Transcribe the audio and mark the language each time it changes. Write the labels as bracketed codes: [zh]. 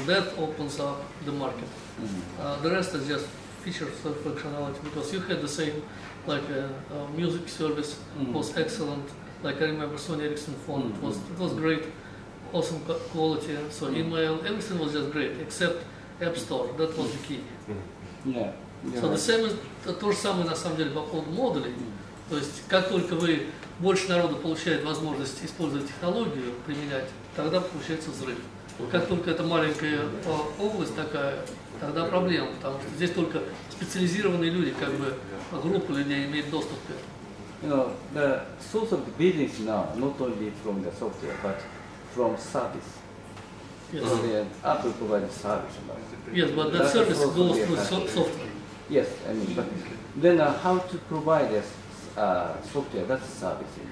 [en] That opens up the market. The rest is just features and functionality, because you had the same, like a music service was excellent. Like I remember Sony Ericsson phone, it was great. Awesome quality, so email, everything was just great, except App Store, that was the key. Yeah. The same is [ru] то же самое, на самом деле, по поводу модулей. То есть, как только вы больше народу получает возможность использовать технологию, применять, тогда получается взрыв. Как только это маленькая область такая, тогда проблема, потому что здесь только специализированные люди, как бы группа людей имеет доступ к этому. [en] The source of the business now, not only from the software, but from service. Yes. Apple provides service. Yes, but that service goes through software. Yes, I mean, but then how to provide a software, that's a service.